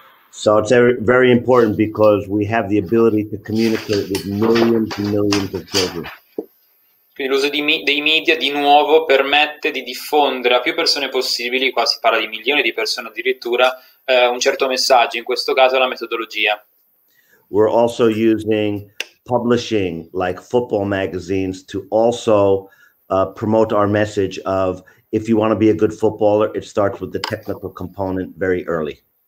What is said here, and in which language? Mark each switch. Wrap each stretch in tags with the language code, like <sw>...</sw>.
<en>So it's very important because we have the ability to communicate with millions and millions of children.</en> <it>Quindi l'uso dei media di nuovo permette di diffondere a più persone possibili, qua si parla di milioni di persone addirittura, un certo messaggio, in questo caso la metodologia.</it> <en>We're also using publishing like football magazines to also promote our message of if you want to be a good footballer, it starts with the technical component very early.</en>